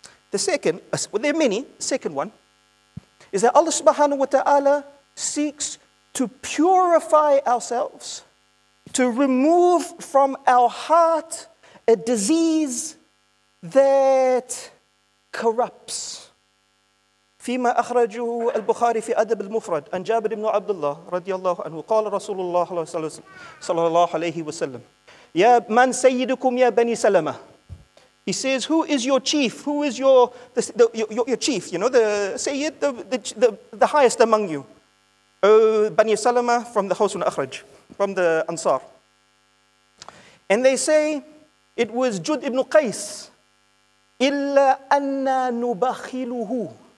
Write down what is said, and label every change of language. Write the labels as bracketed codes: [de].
[en] The second, well, there are many, second one, is that Allah subhanahu wa ta'ala seeks to purify ourselves, to remove from our heart a disease that corrupts. [ar] فيما أخرجه البخاري في أدب المفرد عن جابر بن عبد الله رضي الله عنه قال رسول الله صلى الله عليه وسلم يا من سيدكم يا بني سلمة [en] He says, who is your chief? Who is your chief? You know, the Sayyid, the highest among you. Bani Salama from the Hawsun Akhraj, from the Ansar. And they say, it was Jud ibn Qais. Illa anna nubakhiluhu.